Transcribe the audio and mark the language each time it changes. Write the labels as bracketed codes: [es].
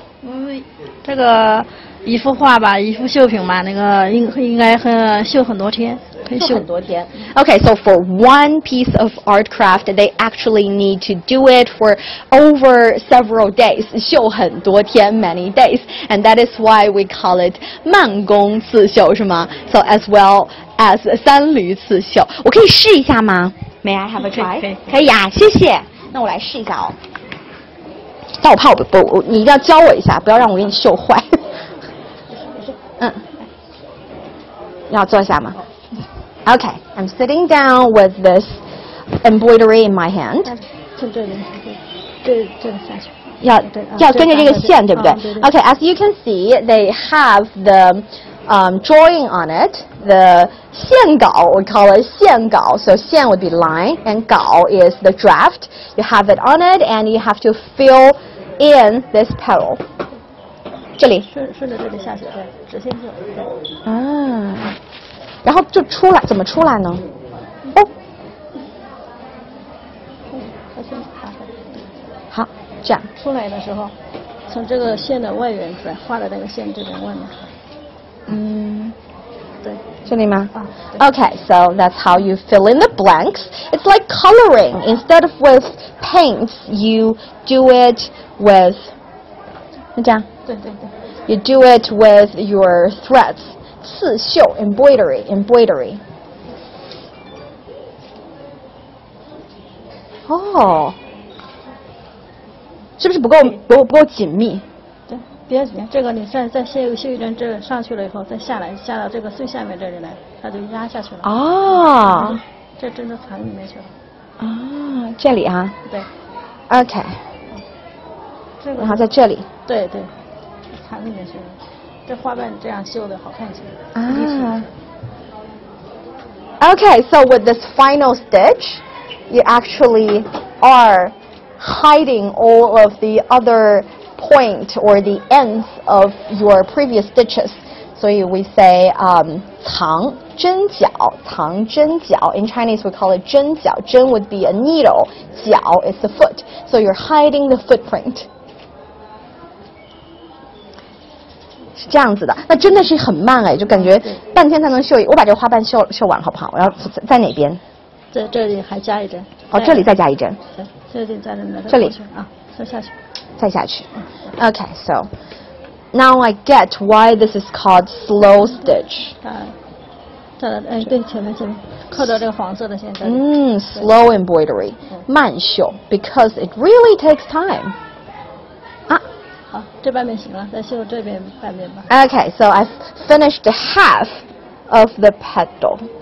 [zh] 因为这个一幅画吧，一幅绣品嘛，那个应该很绣很多天。 [en] Okay, so for one piece of art craft, they actually need to do it for over several days, [zh] 绣很多天, [en] many days, and that is why we call it 慢工刺绣, [zh] 是吗? [en] So as well as 三驴刺绣. [zh] 我可以试一下吗? [en] May I have a try? [zh] 可以啊, 谢谢。那我来试一下哦。但我怕我不，你一定要教我一下，不要让我给你绣坏。嗯。要坐下吗? [en] Okay, I'm sitting down with this embroidery in my hand. [zh] 要跟着这个线，对不对？ [en] Okay, as you can see, they have the drawing on it. The 线稿, we call it 线稿.So 线 would be line, and 稿 is the draft. You have it on it, and you have to fill in this petal. [zh] 这里顺着这里下去，直线就。啊，然后就出来，怎么出来呢？这样出来的时候，从这个线的外缘出来，画的那个线这边外面。嗯，对，这里吗？啊。 [en] Okay, so that's how you fill in the blanks. It's like coloring. Instead of with paints, you do it with. [zh] 这样。对对对。 [en] You do it with your threads, 刺绣 embroidery. Oh. [zh] 是不是不够紧密？对，比较紧。这个你再绣一针，这上去了以后，再下来，下到这个最下面这里来，它就压下去了。哦，这针都藏里面去了。啊，这里啊。对。 OK。这个。然后在这里。对对，藏里面去了。这花瓣这样绣的好看些。啊。 [en] Okay, so with this final stitch, you actually are. Hiding all of the other point or the ends of your previous stitches. So we say, 藏针脚藏针脚 In Chinese, we call it 针脚针 would be a needle. 脚 is the foot. So you're hiding the footprint. [zh] 是这样子的。那真的是很慢哎，就感觉半天才能绣。我把这个花瓣绣完好不好？我要在哪边？在这里还加一针。哦，这里再加一针。对。对对，这里啊，再下去，再下去。 [en] Okay, so now I get why this is called slow stitch. [zh] 对，前面扣到这个黄色的线在。 [en] 嗯 ，slow embroidery, 慢绣 ，because it really takes time. [zh] 啊，好，这半边行了，再绣这边半边吧。 [en] Okay, so I've finished half of the petal.